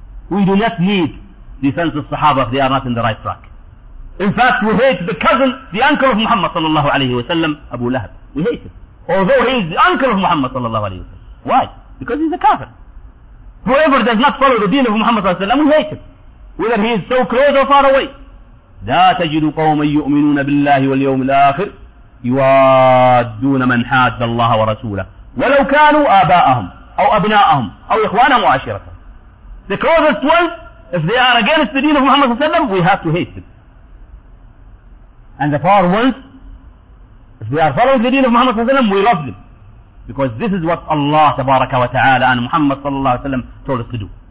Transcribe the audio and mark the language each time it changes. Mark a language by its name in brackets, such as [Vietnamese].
[English] We do not need the sons of Sahaba if they are not in the right track. In fact, we hate the cousin, the uncle of Muhammad sallallahu alayhi wa sallam, Abu Lahab. We hate him. Although he is the uncle of Muhammad sallallahu alayhi wa sallam. Why? Because he's a kafir. Whoever does not follow the deen of Muhammad sallallahu alayhi wa sallam, we hate him. Whether he is so close or far away. [Arabic] لا تجد قوما يؤمنون بالله واليوم الآخر يوادون من حاد الله ورسوله ولو كانوا آباءهم أو أبناءهم أو إخوانهم وعشيرتهم. [English] The closest ones, if they are against the deen of Muhammad sallallahu alayhi wa sallam, we have to hate them. And the far ones, if they are following the deen of Muhammad sallallahu alayhi wa sallam, we love them. Because this is what Allah tabaraka wa ta'ala and Muhammad sallallahu alayhi wa sallam told us to do.